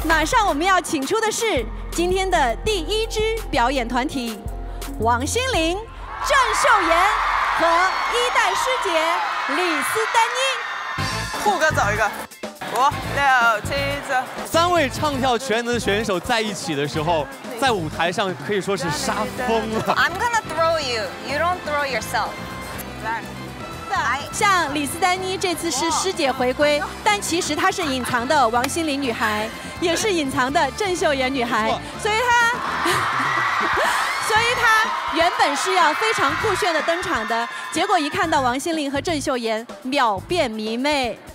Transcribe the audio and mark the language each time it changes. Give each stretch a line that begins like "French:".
Chinese: 马上我们要请出的是今天的第一支表演团体，王心凌、郑秀妍和一代师姐李斯丹妮。酷哥找一个。五六七四，三位唱跳全能的选手在一起的时候，在舞台上可以说是杀疯了。
English: I'm gonna throw you, you don't throw yourself.
Chinese: 来，像李斯丹妮这次是师姐回归，但其实她是隐藏的王心凌女孩，也是隐藏的郑秀妍女孩，所以她原本是要非常酷炫的登场的，结果一看到王心凌和郑秀妍，秒变迷妹。